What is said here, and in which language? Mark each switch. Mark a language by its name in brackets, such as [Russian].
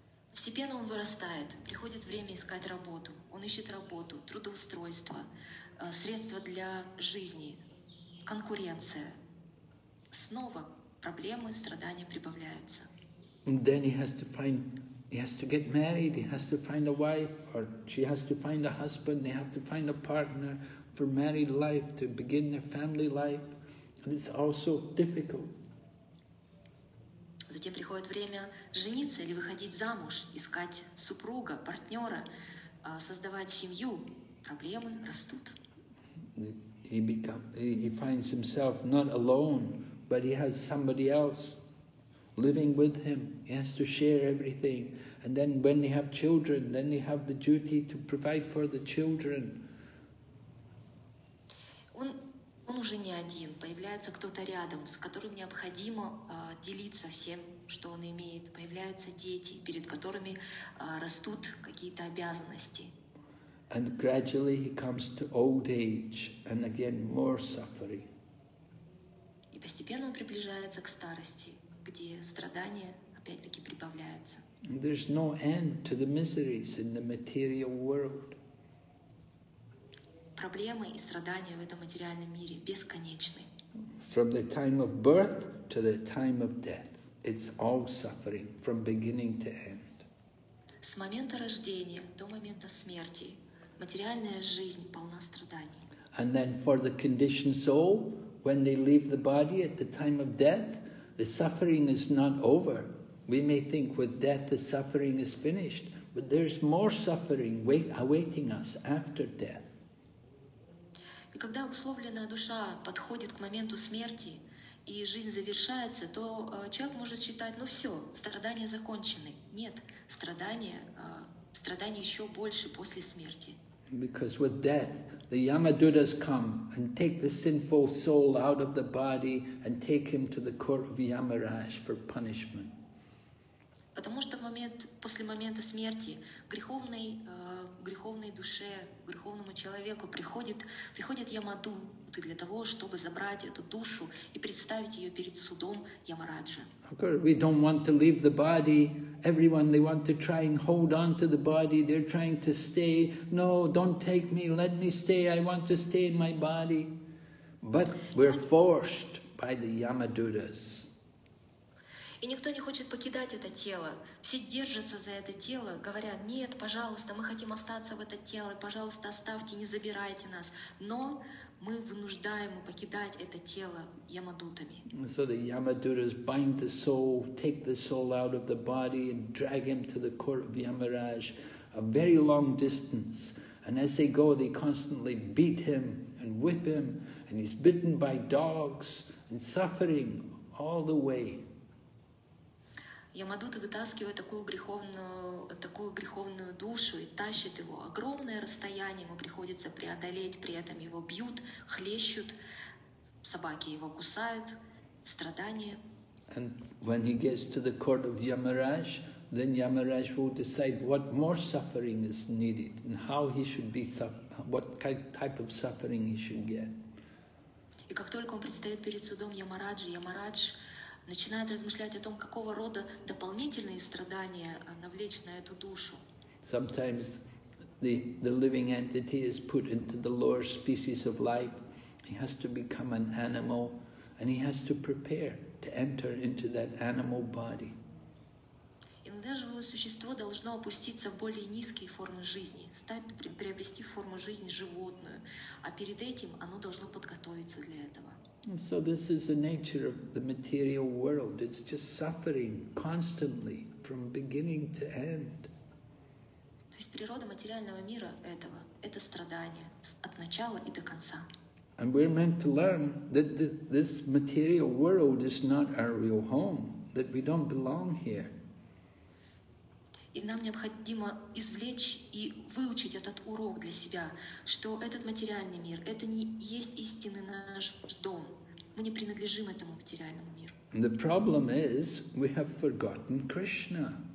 [Russian] Постепенно он вырастает, приходит время искать работу. Он ищет работу, трудоустройство, средства для жизни, конкуренция. Снова проблемы, страдания прибавляются. [English] And then he has to get married, he has to find a wife, or she has to find a husband, they have to find a partner for married life, to begin their family life. And it's also difficult. [Russian] Затем приходит время жениться или выходить замуж, искать супруга, партнера, создавать семью. Проблемы растут. [English] He finds himself not alone, but he has somebody else living with him. He has to share everything. And then when they have children, then they have the duty to provide for the children. [Russian] Он уже не один, появляется кто-то рядом, с которым необходимо делиться всем, что он имеет. Появляются дети, перед которыми растут какие-то обязанности. [English] And gradually he comes to old age, and again more suffering. [Russian] И постепенно он приближается к старости, где страдания опять-таки прибавляются. [English] There's no end to the miseries in the material world. [Russian] Проблемы и страдания в этом материальном мире бесконечны. [English] From the time of birth to the time of death, it's all suffering from beginning to end. [Russian] С момента рождения до момента смерти материальная жизнь полна страданий. [English] And then for the conditioned soul, when they leave the body at the time of death, the suffering is not over. We may think with death the suffering is finished, but there's more suffering awaiting us after death. [Russian] И когда обусловленная душа подходит к моменту смерти, и жизнь завершается, то человек может считать, ну все, страдания закончены. Нет, страдания еще больше после смерти. [English] Because with death, the Yamadutas come and take the sinful soul out of the body and take him to the court of Yamaraj for punishment. [Russian] Потому что в момент, после момента смерти греховной душе, греховному человеку приходит Ямадуты для того, чтобы забрать эту душу и представить ее перед судом Ямараджа. [English] Of course, we don't want to leave the body. Everyone, they want to try and hold on to the body. They're trying to stay. No, don't take me. Let me stay. I want to stay in my body. But we're forced by the Yamadutas. [Russian] И никто не хочет покидать это тело. Все держатся за это тело, говорят, нет, пожалуйста, мы хотим остаться в это тело, пожалуйста, оставьте, не забирайте нас. Но мы вынуждаем покидать это тело ямадутами. [English] So the Yamadutas bind the soul, take the soul out of the body and drag him to the court of Yamaraj, a very long distance. And as they go, they constantly beat him and whip him, and he's bitten by dogs and suffering all the way. [Russian] Ямадута вытаскивает такую греховную душу и тащит его. Огромное расстояние ему приходится преодолеть, при этом его бьют, хлещут, собаки его кусают, страдания. [English] And when he gets to the court of Yamaraj, then Yamaraj will decide what more suffering is needed and how he should be what type of suffering he should get. [Russian] И как только он предстает перед судом Ямараджи, Ямарадж начинает размышлять о том, какого рода дополнительные страдания навлечь на эту душу. [English] Sometimes the living entity is put into the lower species of life. He has to become an animal, and he has to prepare to enter into that animal body. [Russian] Иногда живое существо должно опуститься в более низкие формы жизни, приобрести форму жизни животную, а перед этим оно должно подготовиться для этого. [English] And so this is the nature of the material world. It's just suffering constantly from beginning to end. [Russian] То есть природа материального мира этого — это страдания от начала и до конца. [English] And we're meant to learn that this material world is not our real home, that we don't belong here. [Russian] И нам необходимо извлечь и выучить этот урок для себя, что этот материальный мир — это не есть истинный наш дом. Мы не принадлежим этому материальному миру. [English] And the problem is, we have forgotten Krishna.